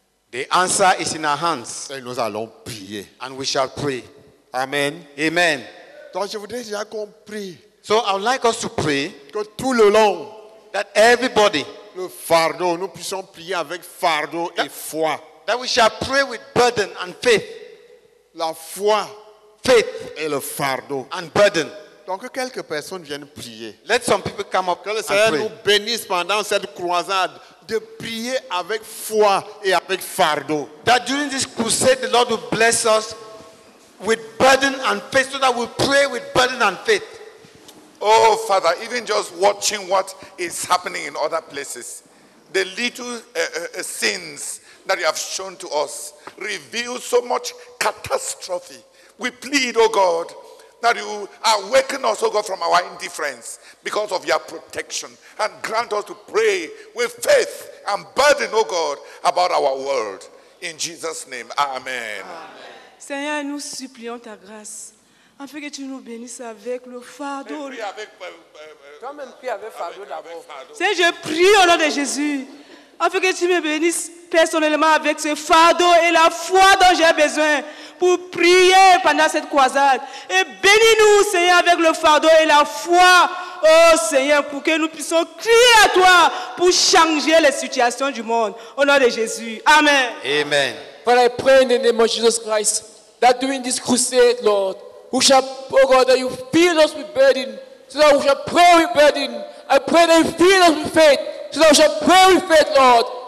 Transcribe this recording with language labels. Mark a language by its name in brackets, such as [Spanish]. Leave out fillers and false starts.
[English] The answer is in our hands. [French] Et nous allons prier. [English] And we shall pray. Amen. Amen. [French] Donc je voudrais déjà qu'on prie. [English] So I would like us to pray [French] que tout le long, [English] that everybody, [French] le fardeau, nous puissions prier avec fardeau et foi. [English] That we shall pray with burden and faith. [French] La foi, [English] faith, [French] et le fardeau, [English] and burden. [French] Donc que quelques personnes viennent prier. [English] Let some people come up. [French] Que le Seigneur nous bénisse pendant cette croisade. De prier avec foi et avec fardeau. [English] That during this crusade, the Lord will bless us with burden and faith, so that we pray with burden and faith. Oh, Father, even just watching what is happening in other places, the little sins that you have shown to us reveal so much catastrophe. We plead, oh God, that you awaken us, oh God, from our indifference because of your protection, and grant us to pray with faith and burden, oh God, about our world. In Jesus' name, amen. [French] Seigneur, nous supplions ta grâce afin que tu nous bénisses avec le fardeau. Toi-même, prie avec fardeau d'abord. Seigneur, je prie au nom de Jésus afin que tu me bénisses personnellement avec ce fardeau et la foi dont j'ai besoin pour prier pendant cette croisade. Et bénis-nous, Seigneur, avec le fardeau et la foi, oh Seigneur, pour que nous puissions crier à toi pour changer les situations du monde. Au nom de Jésus. Amen. Amen. [English] Father, I pray in the name of Jesus Christ that during this crusade, Lord, we shall, oh God, that you fill us with burden, so that we shall pray with burden. I pray that you fill us with faith, so that we shall pray with faith, Lord.